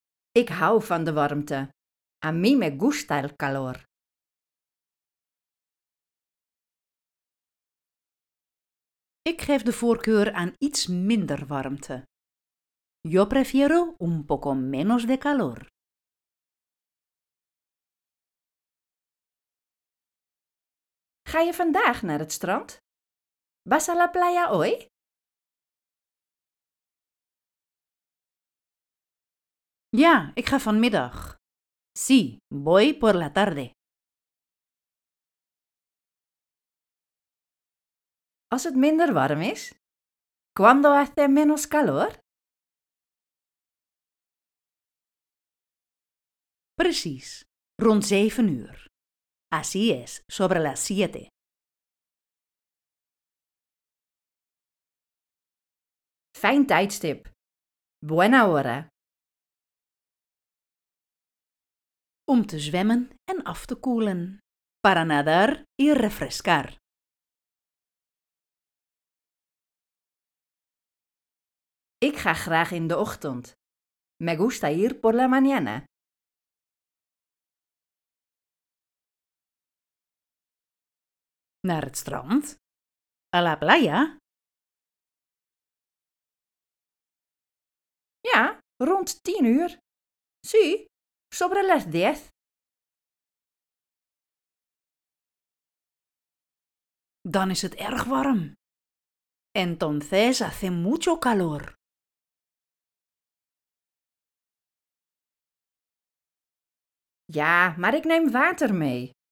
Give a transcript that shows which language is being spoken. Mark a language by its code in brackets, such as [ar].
[nl] Ik hou van de warmte. [es] A mí me gusta el calor. [nl] Ik geef de voorkeur aan iets minder warmte. [es] Yo prefiero un poco menos de calor. [nl] Ga je vandaag naar het strand? [es] ¿Vas a la playa hoy? [nl] Ja, ik ga vanmiddag. [es] Sí, voy por la tarde. [nl] Als het minder warm is, [es] ¿Cuándo hace menos calor? [nl] Precies, rond 7 uur. [es] Así es, sobre las 7. [nl] Fijn tijdstip. [es] Buena hora. [nl] Om te zwemmen en af te koelen. [es] Para nadar y refrescar. [nl] Ik ga graag in de ochtend. [es] Me gusta ir por la mañana. [nl] Naar het strand? [es] A la playa? [nl] Ja, rond 10 uur. [es] Sí, sobre las 10. [nl] Dan is het erg warm. [es] Entonces hace mucho calor. [nl] Ja, maar ik neem water mee.